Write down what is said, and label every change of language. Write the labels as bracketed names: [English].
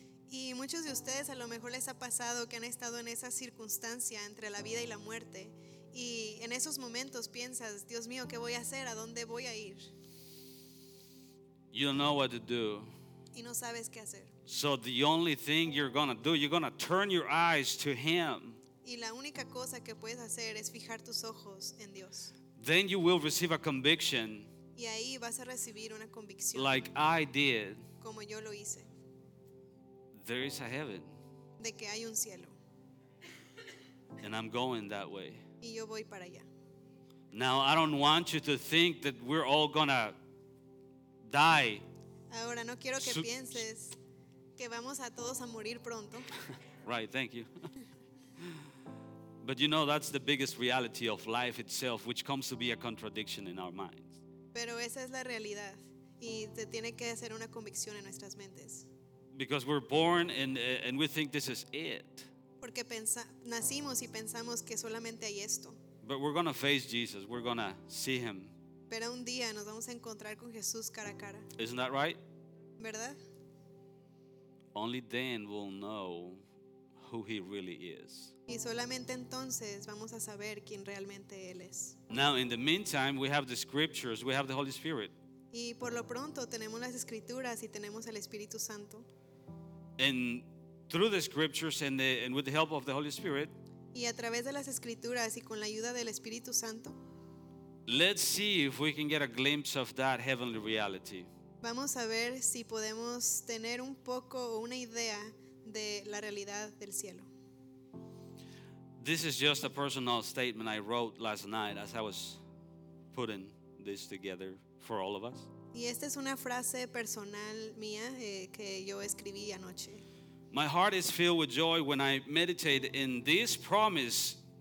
[Spanish] Y muchos de ustedes a lo mejor les ha pasado que han estado en esa circunstancia entre la vida y la muerte, y en esos momentos piensas, Dios mío, ¿qué voy a hacer? ¿A dónde voy a ir? [English] You don't know what to do. [Spanish] Y no sabes qué hacer. [English] So the only thing you're going to do, you're going to turn your eyes to him. [Spanish] Y la única cosa que puedes hacer es fijar tus ojos en Dios. [English] Then you will receive a conviction. [Spanish] Y ahí vas a recibir una convicción. [English] Like I did. [Spanish] Como yo lo hice. [English] There is a heaven. [Spanish] De que hay un cielo. [English] And I'm going that way. [Spanish] Y yo voy para allá. [English] Now I don't want you to think that we're all going to die. [Spanish] Ahora no quiero que pienses que vamos a todos a morir pronto. [English] Right, thank you. But you know, that's the biggest reality of life itself, which comes to be a contradiction in our minds. [Spanish] Pero esa es la realidad y se tiene que hacer una convicción en nuestras mentes. [English] Because we're born and we think this is it. [Spanish] Porque nacimos y pensamos que solamente hay esto. [English] But we're going to face Jesus. We're going to see him. [Spanish] Pero un día nos vamos a encontrar con Jesús cara a cara. [English] Isn't that right? [Spanish] ¿Verdad? [English] Only then we'll know who he really is. [Spanish] Y solamente entonces vamos a saber quién realmente él es. [English] Now in the meantime we have the scriptures, we have the Holy Spirit. [Spanish] Y por lo pronto tenemos las escrituras y tenemos el Espíritu Santo. [English] And through the scriptures and with the help of the Holy Spirit. [Spanish] Y a través de las escrituras y con la ayuda del Espíritu Santo. [English] Let's see if we can get a glimpse of that heavenly reality. [Spanish] Vamos a ver si podemos tener un poco o una idea de la realidad del cielo. [English] This is just a personal statement I wrote last night as I was putting this together for all of us. [Spanish] Y esta es una frase personal mía que yo escribí anoche. [English] My heart is filled with joy when I meditate in this promise.